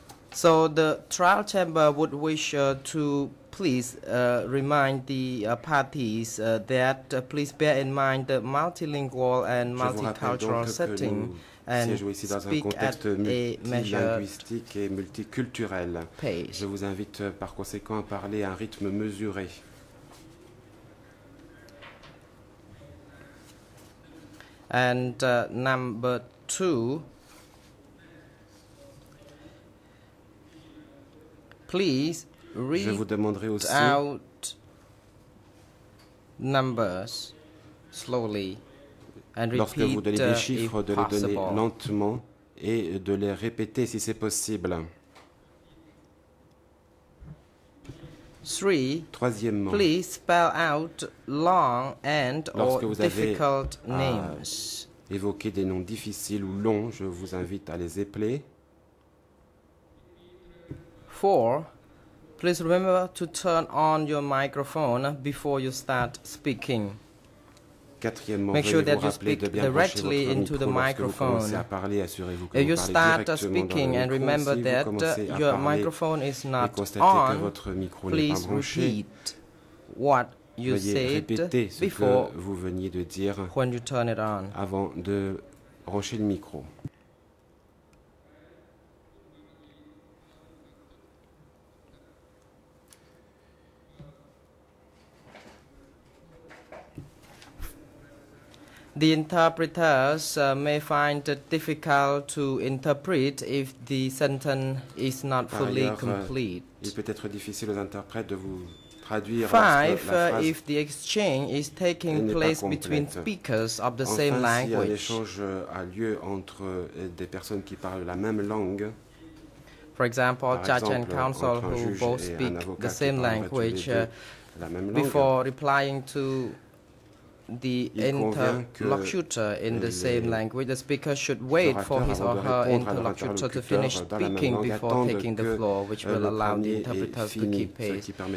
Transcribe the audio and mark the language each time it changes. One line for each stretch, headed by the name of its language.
English: So the trial chamber would wish to please remind the parties that please bear in mind the multilingual and multicultural setting and speak at a measured pace.
French: Je vous invite par conséquent à parler à un rythme mesuré.
English: And number two, please read out numbers slowly and repeat
French: lorsque vous donnez des chiffres, de les donner lentement et de les répéter si c'est possible. Troisièmement,
English: please spell out long and or difficult names.
French: Évoquer des noms difficiles ou longs, je vous invite à les épeler.
English: Four, please remember to turn on your microphone before you start speaking. Make sure that you speak directly into the microphone. If you start speaking and remember that your microphone is not on, please repeat what you said before when you turn it on.
French: Avant de brancher le micro.
English: The interpreters may find it difficult to interpret if the sentence is not fully complete.
French: Il peut être difficile aux interprètes de vous traduire.
English: Five, if the exchange is taking place between speakers of the same language.
French: Enfin, si un échange a lieu entre des personnes qui parlent la même langue.
English: For example, judge and counsel who both speak the same language
French: la même langue.
English: Before replying to the interlocutor in the same language, the speaker should wait for his or her interlocutor to finish speaking before taking the floor, which will allow the interpreter to keep pace.